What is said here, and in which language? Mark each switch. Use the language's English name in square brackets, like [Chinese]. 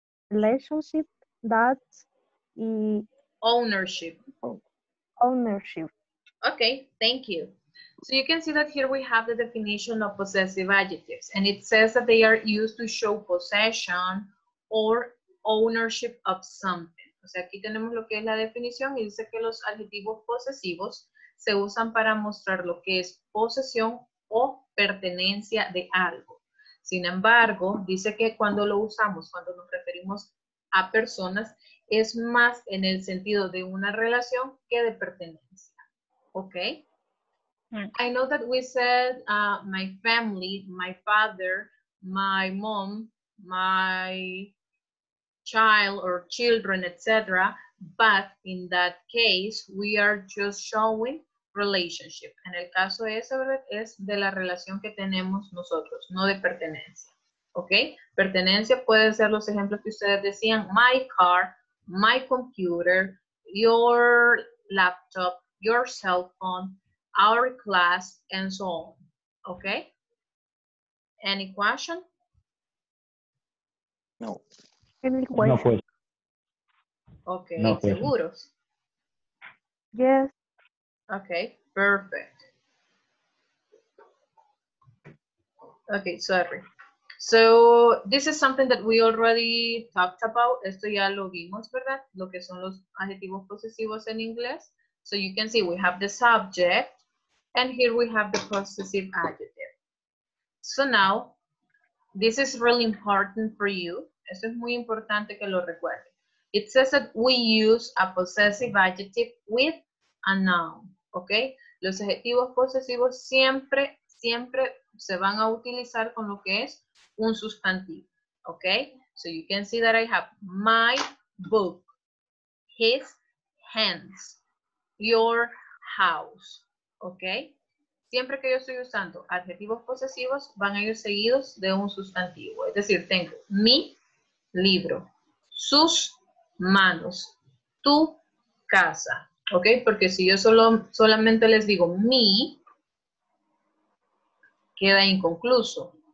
[English] Relationship, that y ownership. Ownership. Okay, thank you. So you can see that here we have the definition of possessive adjectives, and it says that they are used to show possession or ownership of something. [Spanish] O sea, aquí tenemos lo que es la definición y dice que los adjetivos posesivos se usan para mostrar lo que es posesión o pertenencia de algo. Sin embargo, dice que cuando lo usamos, cuando nos referimos a personas, es más en el sentido de una relación que de pertenencia. ¿Ok? [English] I know that we said my family, my father, my mom, my child or children, etc. But in that case, we are just showing relationship. [Spanish] En el caso de eso, ¿verdad? Es de la relación que tenemos nosotros, no de pertenencia. ¿Ok? Pertenencia puede ser los ejemplos que ustedes decían. [English] My car, my computer, your laptop, your cell phone, our class, and so on. ¿Ok? Any question? No. Any question? No question. Okay, no question. [Spanish] Seguros? [English] Yes. Okay, perfect. Okay, sorry. So, this is something that we already talked about. [Spanish] Esto ya lo vimos, ¿verdad? Lo que son los adjetivos posesivos en inglés. [English] So, you can see we have the subject, and here we have the possessive adjective. So, now, this is really important for you. [Spanish] Esto es muy importante que lo recuerden. [English] It says that we use a possessive adjective with a noun, okay? [Spanish] Los adjetivos posesivos siempre, siempre se van a utilizar con lo que es un sustantivo, okay? [English] So you can see that I have my book, his hands, your house, okay? [Spanish] Siempre que yo estoy usando adjetivos posesivos, van a ir seguidos de un sustantivo. Es decir, tengo mi libro, sus manos, tu casa, ¿ok? Porque si yo solamente les digo mi, queda inconcluso.